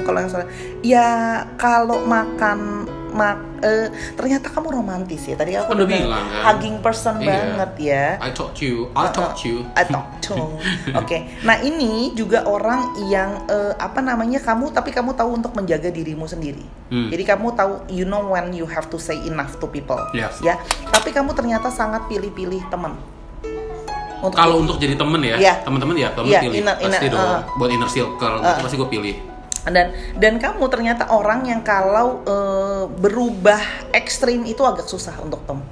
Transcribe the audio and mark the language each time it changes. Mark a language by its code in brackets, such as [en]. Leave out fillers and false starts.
[id] Kalau yang soalnya, ya kalau makan ternyata kamu romantis ya. Tadi aku udah bilang kan, [en] hugging person [id] banget ya. [en] I talk to you. [id] Oke. Nah, ini juga orang yang tapi kamu tahu untuk menjaga dirimu sendiri. Jadi kamu tahu, [en] you know when you have to say enough to people. Yes. [id] Ya. Tapi kamu ternyata sangat pilih-pilih teman. Kalau untuk jadi teman ya, teman-teman ya, kamu pilih. Buat inner circle pasti gue pilih. Dan kamu ternyata orang yang kalau berubah ekstrim itu agak susah untuk Tom.